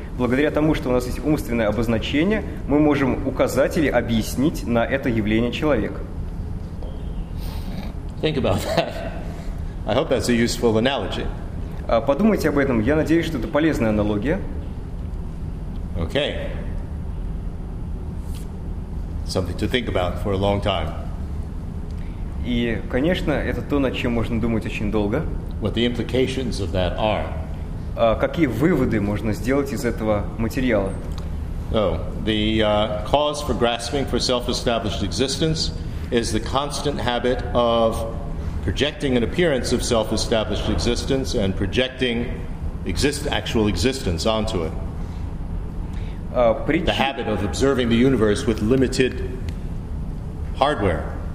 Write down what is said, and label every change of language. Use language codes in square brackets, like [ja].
[ru] Благодаря тому, что у нас есть умственное обозначение, мы можем указать или объяснить на это явление человек. [en] Think about that. I hope that's a useful analogy. [ru] Подумайте об этом. Я надеюсь, что это полезная аналогия. Okay. [en] Something to think about for a long time. [ru] И, конечно, это то, над чем можно думать очень долго. [en] What the implications of that are. [ru] Какие выводы можно сделать из этого материала? [en] Oh, the cause for grasping for self-established existence is the constant habit of projecting an appearance of self-established existence and projecting actual existence onto it. The habit of observing the universe with limited hardware.